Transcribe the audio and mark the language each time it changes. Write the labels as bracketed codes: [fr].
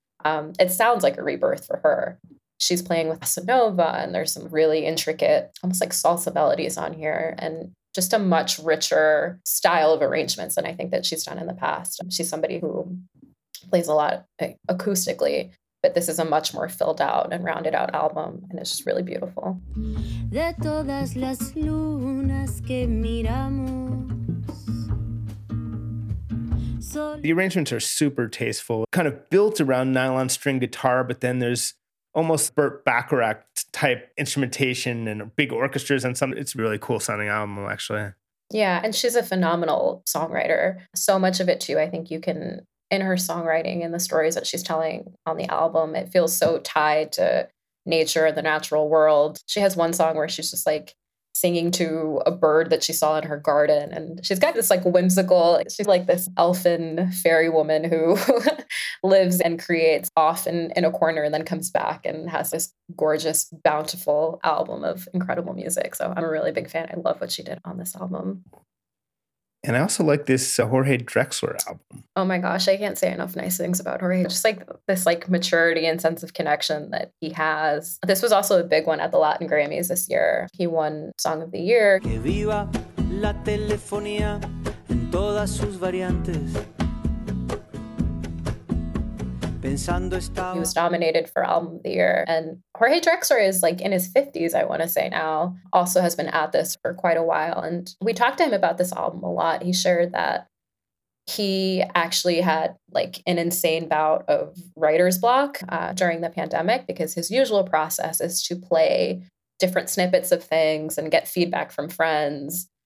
[en] It sounds like a rebirth for her. She's playing with bossa nova, and there's some really intricate, almost like salsa melodies on here. And just a much richer style of arrangements than I think that she's done in the past. She's somebody who plays a lot acoustically, but this is a much more filled out and rounded out album, and it's just really beautiful. [es] De todas las lunas que miramos. [en] The arrangements are super tasteful, kind of built around nylon string guitar, but then there's almost Burt Bacharach type instrumentation and big orchestras and some. It's a really cool sounding album, actually. Yeah, and she's a phenomenal songwriter. So much of it, too, I think you can, in her songwriting and the stories that she's telling on the album, it feels so tied to nature and the natural world. She has one song where she's just like singing to a bird that she saw in her garden. And she's got this like whimsical, she's like this elfin fairy woman who lives and creates off in a corner and then comes back and has this gorgeous, bountiful album of incredible music. So I'm a really big fan. I love what she did on this album. And I also like this Jorge Drexler album. Oh my gosh, I can't say enough nice things about Jorge. Just like this like maturity and sense of connection that he has. This was also a big one at the Latin Grammys this year. He won Song of the Year. [es] Que viva la telefonía en todas sus variantes. [en] He was nominated for Album of the Year. And Jorge Drexler is like in his 50s, I want to say now, also has been at this for quite a while. And we talked to him about this album a lot. He shared that he actually had like an insane bout of writer's block during the pandemic, because his usual process is to play different snippets of things and get feedback from friends.